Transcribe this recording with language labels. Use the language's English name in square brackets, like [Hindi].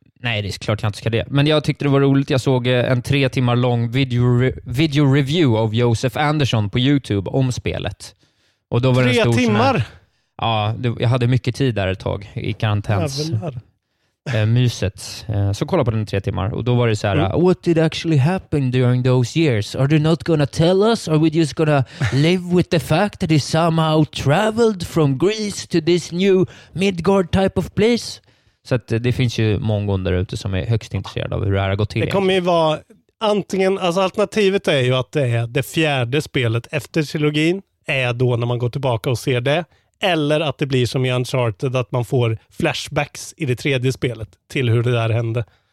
[Swedish] Nej, det är klart jag inte ska det. Men jag tyckte det var roligt. Jag såg en 3 timmar lång video review av Josef Andersson på YouTube om spelet. Och då var det 3 timmar? Här, ja, jag hade mycket tid där ett tag i karantäns. Myset. Så kolla på den 3 timmar. Och då var det så här, [English] what did actually happen during those years? Are they not gonna tell us? Are we just gonna live with the fact that he somehow traveled from Greece to this new Midgard type of place? [Swedish] Så att det finns ju många där ute som är högst intresserade av hur det här har gått till. Det kommer ju vara, antingen, alltså alternativet är ju att det är det fjärde spelet efter trilogin är då när man går tillbaka och ser det. Eller att det blir som i Uncharted, att man får flashbacks i det tredje spelet till hur det där hände.